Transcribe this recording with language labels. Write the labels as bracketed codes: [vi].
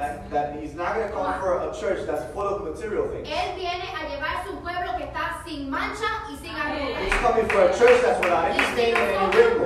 [en] That he's not going to come for a church that's full of material things. [es] Él viene a llevar su pueblo que está sin mancha y sin arruga. [en] He's coming for a church that's without any stain and any wrinkle.